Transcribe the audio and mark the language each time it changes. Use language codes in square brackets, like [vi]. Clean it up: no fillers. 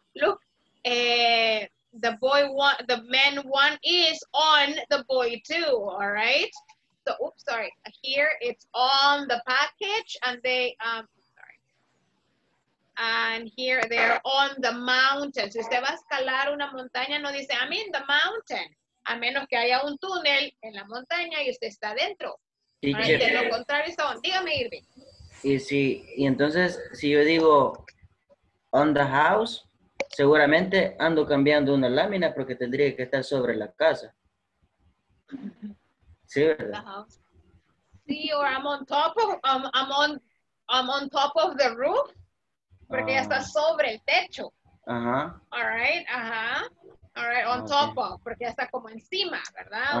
[en] Look, the man one is on the boy two. All right, so oops, sorry. Here it's on the package and they, and here they're on the mountain. [es] Si usted va a escalar una montaña, no dice, [en] I'm in the mountain. [es] A menos que haya un túnel en la montaña y usted está adentro. Sí, right, de lo contrario, está on. Dígame, Irving. Y si, y entonces, si yo digo, [en] on the house, [es] seguramente ando cambiando una lámina porque tendría que estar sobre la casa. Sí, ¿verdad? [en] The house. Sí, or I'm on top of the roof. [es] Porque ya está sobre el techo. Ajá. [en] All right, ajá. All right, on top of, [es] porque ya está como encima, ¿verdad?